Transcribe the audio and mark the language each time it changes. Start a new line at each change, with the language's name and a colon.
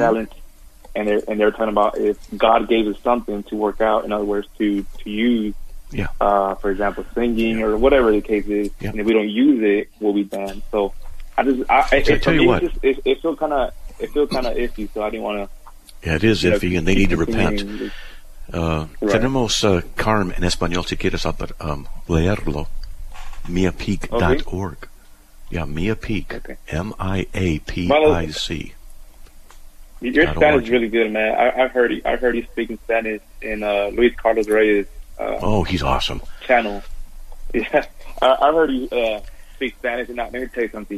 English: the talent, and they're talking about if God gave us something to work out, in other words, to use. Yeah. For example, singing or whatever the case is, and if we don't use it, we'll be banned. So, it's still kind of iffy. So I didn't want to. Yeah, it is iffy, and they need to repent.
Spanish: Tenemos carm en español si quieres leerlo, miapeak.org.
English: Yeah, miapeak. Okay. MIAPIC. Your Spanish is really good, man. I heard you speaking Spanish in Luis Carlos Reyes. He's awesome. Channel. Yeah. I've heard you speak Spanish. And let me tell you something.